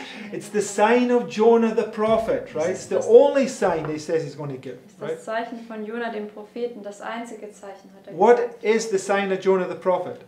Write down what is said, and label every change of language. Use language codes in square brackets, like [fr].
[en] It's the sign of Jonah the prophet, right? It's the only sign he says he's going to give. [de] Ist das Zeichen von Jonah dem Propheten, das einzige Zeichen hat er gesagt. [en] What is the sign of Jonah the prophet?